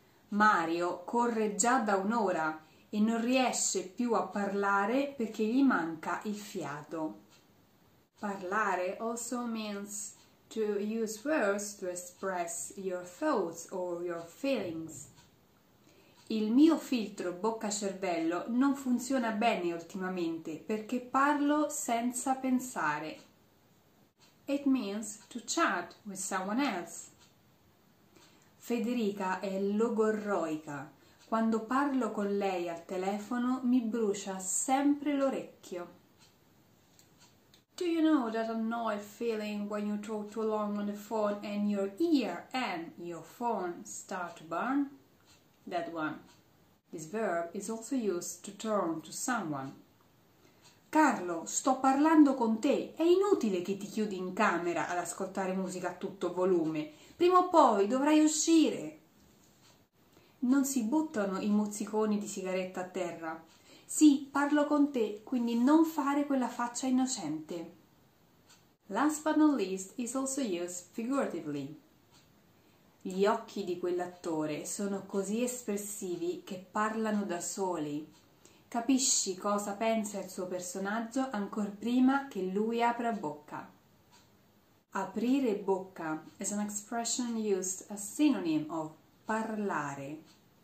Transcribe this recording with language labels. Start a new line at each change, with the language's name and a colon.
Italian: Mario corre già da un'ora e non riesce più a parlare perché gli manca il fiato.
English: Parlare also means to use words to express your thoughts or your feelings.
Italian: Il mio filtro bocca-cervello non funziona bene ultimamente perché parlo senza pensare.
English: It means to chat with someone else.
Italian: Federica è logorroica. Quando parlo con lei al telefono mi brucia sempre l'orecchio.
English: Do you know that annoyed feeling when you talk too long on the phone and your ear and your phone start to burn? That one. This verb is also used to turn to someone.
Italian: Carlo, sto parlando con te. È inutile che ti chiudi in camera ad ascoltare musica a tutto volume. Prima o poi dovrai uscire. Non si buttano i mozziconi di sigaretta a terra. Sì, parlo con te, quindi non fare quella faccia innocente.
English: Last but not least is also used figuratively.
Italian: Gli occhi di quell'attore sono così espressivi che parlano da soli. Capisci cosa pensa il suo personaggio ancor prima che lui apra bocca.
English: Aprire bocca is an expression used as synonym of parlare.